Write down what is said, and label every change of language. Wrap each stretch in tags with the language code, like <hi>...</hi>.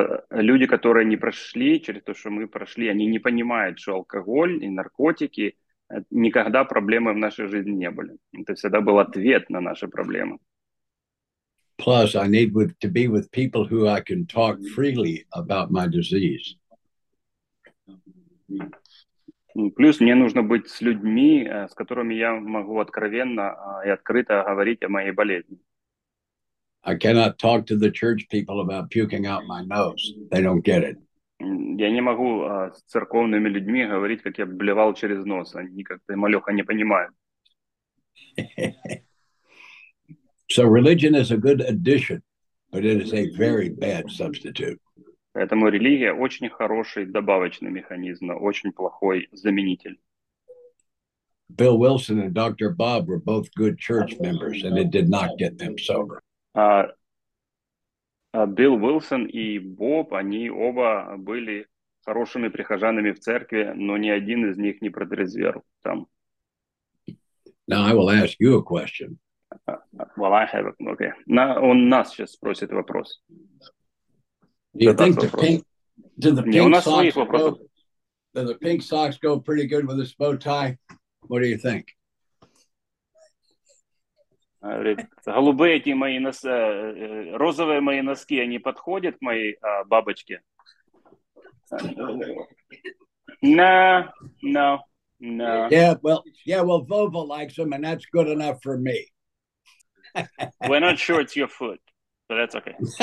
<ru>Люди, которые не прошли через то, что мы прошли, они не понимают, что алкоголь и наркотики никогда проблемы в нашей жизни не были. Это всегда был ответ на наши проблемы.</ru> <en>Plus, I need to be with people who I can talk freely about my disease.</en> <ru>Плюс мне нужно быть с людьми, с которыми я могу откровенно и открыто говорить о моей болезни.</ru> <en>I cannot talk to the church people about puking out my nose. They don't get it.</en> <ru>Я не могу с церковными людьми говорить, как я блевал через нос. Они как-то малёха не понимают.</ru> <en>So religion is a good addition, but it is a very bad substitute.</en> <ru>Поэтому религия очень хороший добавочный механизм, но очень плохой заменитель.</ru> <en>Bill Wilson and Dr. Bob were both good church members, and it did not get them sober.</en> <ru>Билл Уилсон и Боб, они оба были хорошими прихожанами в церкви, но ни один из них не протрезвел там.</ru> <en>Now I will ask you a question. Well, I have it. Okay. Now,</en> <ru>он нас сейчас спросит вопрос.</ru> <en>Do you think the pink socks go pretty good with this bow tie? What do you think?</en> <ru>Голубые эти мои носки, розовые мои носки, они подходят к моей бабочке?</ru> <en>No. Yeah, well, Vova likes them, and that's good enough for me. We're not sure it's your foot, but that's okay.</en>